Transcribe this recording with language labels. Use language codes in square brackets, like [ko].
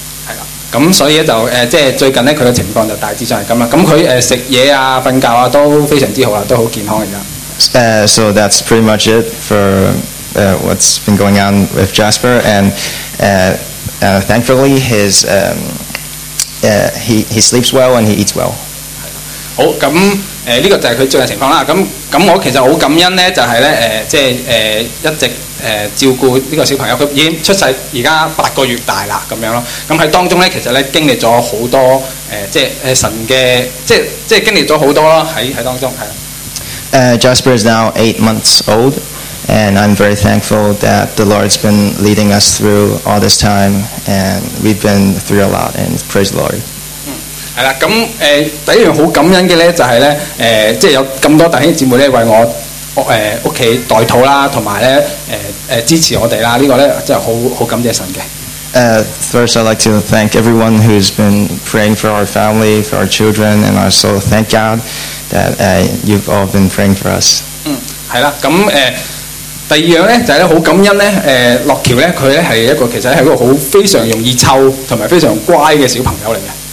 [yue] 係啦，咁所以就即係最近咧，佢嘅情況就大致上係咁啦。咁佢食嘢啊、瞓覺啊都非常之好啦，都好健康而家。 [en] So that's pretty much it for what's been going on with Jasper. And thankfully, his he sleeps well and he eats well. [yue] 好，咁呢個就係佢最近情況啦。咁我其實好感恩咧，就係咧即係一直。照顧呢個小朋友，佢已經出世，而家八個月大啦，咁樣咯。咁喺當中咧，其實咧經歷咗好多即係神嘅，即係經歷咗好多咯，喺當中係。 [en] Jasper is now 8 months old, and I'm very thankful that the Lord's been leading us through all this time, and we've been through a lot, and praise the Lord. [yue] 係啦，咁第一樣好感恩嘅咧，就係咧即係有咁多弟兄姊妹咧為我。屋企代禱啦，同埋咧支持我哋啦，呢個咧真係好感謝神嘅。 [en] First, I'd like to thank everyone who's been praying for our family, for our children, and also thank God that you've all been praying for us. [yue] 嗯，係啦，咁第二樣咧就係咧好感恩咧樂橋咧佢咧係一個其實係一個好非常容易湊同埋非常乖嘅小朋友嚟嘅。